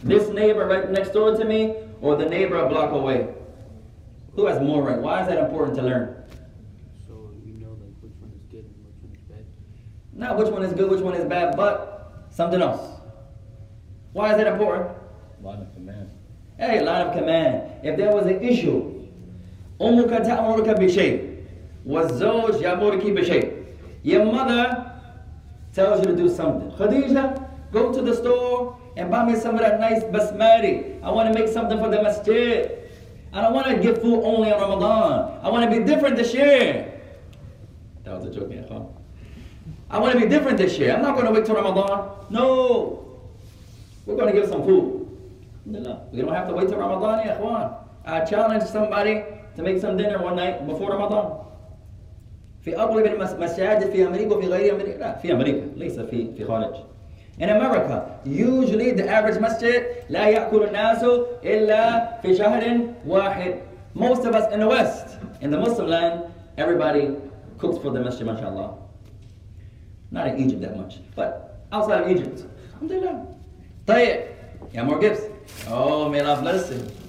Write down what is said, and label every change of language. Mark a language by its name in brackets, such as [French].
[English] This neighbor right next door to me or the neighbor a block away? Who has more right? Why is that important to learn? So you know like which one is good and which one is bad? Not which one is good, which one is bad, but something else. Why is that important? Line of command. Hey, line of command. If there was an issue, [Arabic] أمك تأمرك بشيء والزوج يأمرك بشيء. [English] Your mother tells you to do something. Khadija, go to the store and buy me some of that nice basmati. I want to make something for the masjid. I don't want to give food only on Ramadan. I want to be different this year. That was a joke, yeah, huh? I want to be different this year. I'm not going to wait till Ramadan. No. We're going to give some food. Alhamdulillah. We don't have to wait till Ramadan, yeah, ikhwan. I challenge somebody to make some dinner one night before Ramadan. [Arabic] في أغلب المساجد في أمريكا وفي غير أمريكا لا في أمريكا ليس في في خارج. [English] In America, usually the average masjid [Arabic] لا يأكل الناس إلا في شهر واحد. [English] Most of us in the West, in the Muslim land, everybody cooks for the masjid, mashallah. Not in Egypt that much, but outside of Egypt, alhamdulillah. طيب, you have more gifts. Oh, may Allah bless you.